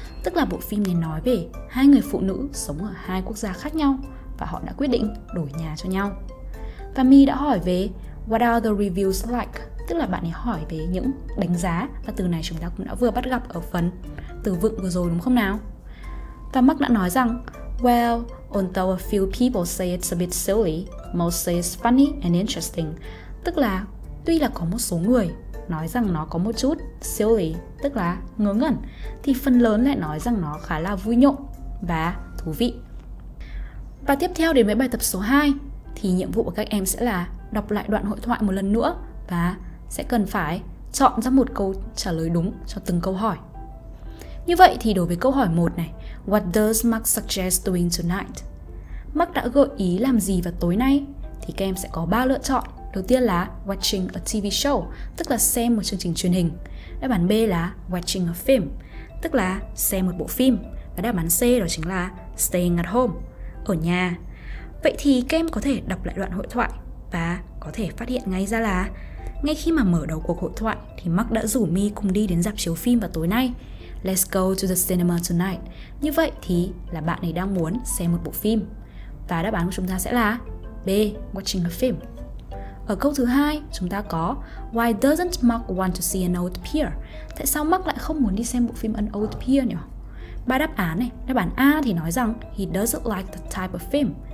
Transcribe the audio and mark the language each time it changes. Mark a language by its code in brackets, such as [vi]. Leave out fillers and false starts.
[vi] Tức là bộ phim này nói về hai người phụ nữ sống ở hai quốc gia khác nhau và họ đã quyết định đổi nhà cho nhau. Và Mi đã hỏi về [en] What are the reviews like? [vi] Tức là bạn ấy hỏi về những đánh giá và từ này chúng ta cũng đã vừa bắt gặp ở phần từ vựng vừa rồi đúng không nào? Và Mark đã nói rằng [en] Well, although a few people say it's a bit silly, most say it's funny and interesting. [vi] Tức là, tuy là có một số người nói rằng nó có một chút silly, tức là ngớ ngẩn, thì phần lớn lại nói rằng nó khá là vui nhộn và thú vị. Và tiếp theo đến với bài tập số 2, thì nhiệm vụ của các em sẽ là đọc lại đoạn hội thoại một lần nữa và sẽ cần phải chọn ra một câu trả lời đúng cho từng câu hỏi. Như vậy thì đối với câu hỏi 1 này, [en] What does Mark suggest doing tonight? [vi] Mark đã gợi ý làm gì vào tối nay? Thì các em sẽ có 3 lựa chọn. Đầu tiên là [en] watching a TV show, [vi] tức là xem một chương trình truyền hình. Đáp án B là [en] watching a film, [vi] tức là xem một bộ phim. Và đáp án C đó chính là [en] staying at home, [vi] ở nhà. Vậy thì các em có thể đọc lại đoạn hội thoại và có thể phát hiện ngay ra là ngay khi mà mở đầu cuộc hội thoại thì Mark đã rủ Mi cùng đi đến rạp chiếu phim vào tối nay. [en] Let's go to the cinema tonight. [vi] Như vậy thì là bạn ấy đang muốn xem một bộ phim. Và đáp án của chúng ta sẽ là B, [en] watching a film. [vi] Ở câu thứ hai chúng ta có [en] Why doesn't Mark want to see an old pier? [vi] Tại sao Mark lại không muốn đi xem bộ phim An Old Pier nhỉ? Ba đáp án này, đáp án A thì nói rằng [en] He doesn't like the type of film.